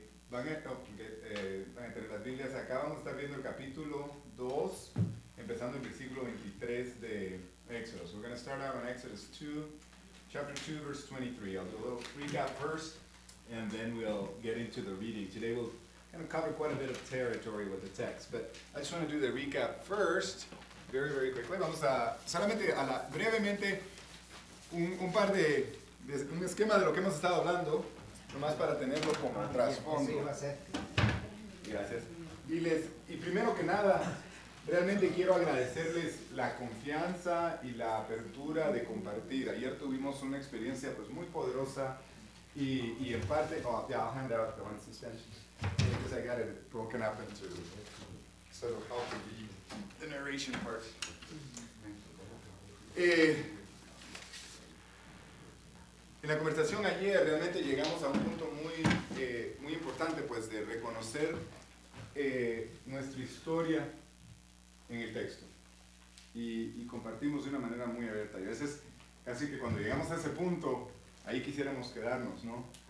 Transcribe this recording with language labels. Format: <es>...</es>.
<es>Van a tener las Biblias acá. Vamos a estar viendo el capítulo 2, empezando en versículo 23 de Éxodo.</es> <en>So we're going to start out on Exodus 2, chapter 2, verse 23. I'll do a little recap first, and then we'll get into the reading. Today we'll going to cover quite a bit of territory with the text, but I just want to do the recap first, very, very quickly.</en> <es>Vamos a, solamente a la, brevemente, un par de, un esquema de lo que hemos estado hablando, nomás para tenerlo como trasfondo. Gracias. Y primero que nada, realmente quiero agradecerles la confianza y la apertura de compartir. Ayer tuvimos una experiencia pues muy poderosa y en parte,</es> <en>I'll hand out the one suspension. Because I got it broken up into sort of half of the narration part.</en> <es>En la conversación ayer realmente llegamos a un punto muy, muy importante, pues, de reconocer nuestra historia en el texto. Y compartimos de una manera muy abierta. Y a veces, casi que cuando llegamos a ese punto, ahí quisiéramos quedarnos, ¿no?</es>